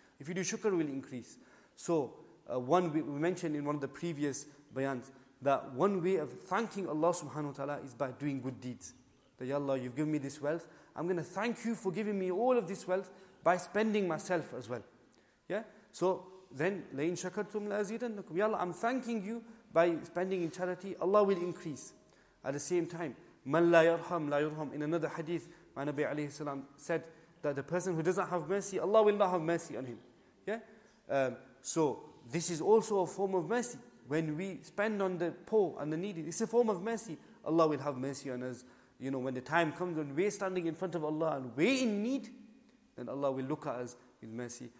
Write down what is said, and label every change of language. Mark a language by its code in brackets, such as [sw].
[en] If you do shukr, will increase. So, we mentioned in one of the previous bayans that one way of thanking Allah subhanahu wa ta'ala is by doing good deeds. That, ya Allah, you've given me this wealth. I'm going to thank you for giving me all of this wealth by spending myself as well. Yeah. So then, [ar] لَإِن شَكَرْتُمْ لَأَزِيدَنَّكُمْ. [en] Ya Allah, I'm thanking you by spending in charity. Allah will increase. At the same time, [ar] مَنْ لَا يَرْحَمْ لَا يُرْحَمْ. [en] In another hadith, my Nabi alayhi salam said that the person who doesn't have mercy, Allah will not have mercy on him. Yeah. So this is also a form of mercy. When we spend on the poor and the needy, it's a form of mercy. Allah will have mercy on us. You know, when the time comes when we're standing in front of Allah and we're in need, then Allah will look at us with mercy.